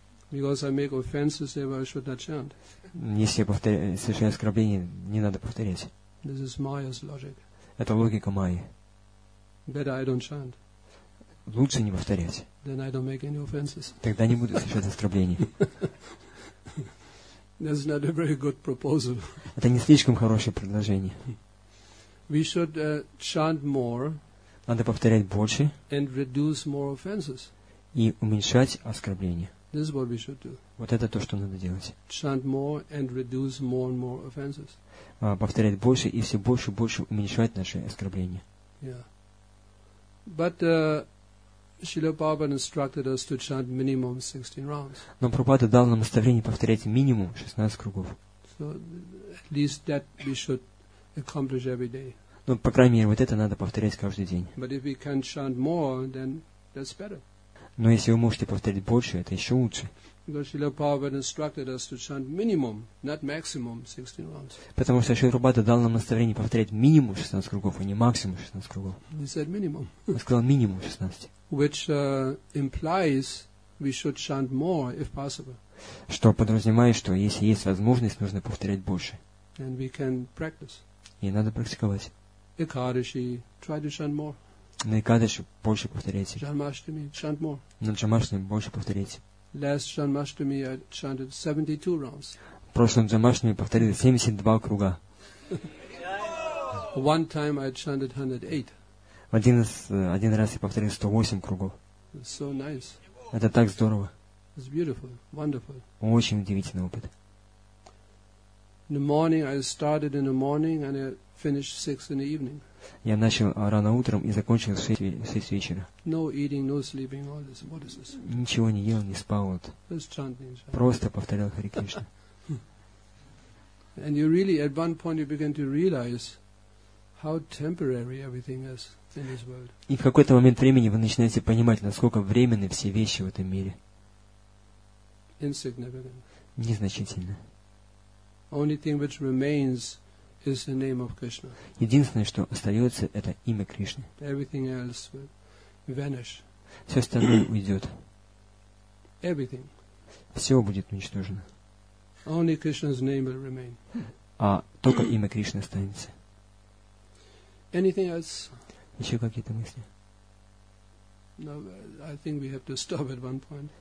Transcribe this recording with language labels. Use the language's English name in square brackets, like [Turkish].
[English] Because I make offenses, therefore I should not chant. [Russian] Если повторяю совершаю оскорбление, не надо повторять. [English] This is Maya's logic. [Russian] Это логика Майи. [English] Better I don't chant. [Russian] Лучше не повторять. [English] Then I don't make any offenses. [Russian] Тогда не буду совершать оскорблений. [English] That's not a very good proposal. [Russian] Это не слишком хорошее предложение. [English] We should chant more. [Russian] Надо повторять больше. [English] And reduce more offenses. [Russian] И уменьшать оскорбления. [English] This is what we should do. [Russian] Вот это то, что надо делать. [English] Chant more and reduce more and more offenses. [Russian] Повторять больше и все больше и больше уменьшать наши оскорбления. [English] Yeah. But Srila Prabhupada instructed us to chant minimum 16 rounds. [Russian] Но Прабхупада дал нам наставление повторять минимум 16 кругов. [English] So at least that we should accomplish every day. [Russian] Но по крайней мере вот это надо повторять каждый день. [English] But if we can chant more, then that's better. [Russian] Но если вы можете повторить больше, это еще лучше. [English] Because Srila Prabhupada instructed us to chant minimum, not maximum 16 rounds. [Russian] Потому что Шрила Прабхупада дал нам наставление повторять минимум 16 кругов, а не максимум 16 кругов. [English] He said minimum. [Russian] Он сказал минимум 16. [English] Which implies we should chant more if possible. [Russian] Что подразумевает, что если есть возможность, нужно повторять больше. [English] And we can practice. [Russian] И надо практиковать. [English] Экадаши, try to chant more. [Russian] На Экадаши больше повторяйте. [English] Джанмаштами, chant more. [Russian] На Джанмаштами больше повторяйте. [English] Last Janmashtami I chanted 72 rounds. [Russian] В прошлом Janmashtami повторили 72 круга. [English] One time I chanted 108. [Russian] Один раз я повторил 108 кругов. [English] So nice. [Russian] Это так здорово. [English] It's beautiful, wonderful. [Russian] Очень удивительный опыт. [English] In the morning I started in the morning and I finished 6 in the evening. [Russian] Я начал рано утром и закончил в 6 вечера. [English] No eating, no sleeping, all this. What is this? [Russian] Ничего не ел, не спал. Вот. [English] Just chanting, chanting. [Russian] Просто повторял Хари Кришна. [English] And you really, at one point you begin to realize how temporary everything is in this world. [Russian] И в какой-то момент времени вы начинаете понимать, насколько временны все вещи в этом мире. [English] Insignificant. [Russian] Незначительно. [English] Only thing which remains is the name of Krishna. [Russian] Единственное, что остается, это имя Кришны. [English] Everything else will vanish. [Russian] Все остальное уйдет. [English] Everything. [Russian] Все будет уничтожено. [English] Only Krishna's name will remain. [Russian] А только имя Кришны останется. [English] Anything else? [Russian] Еще какие-то мысли? [English] No, I think we have to stop at one point.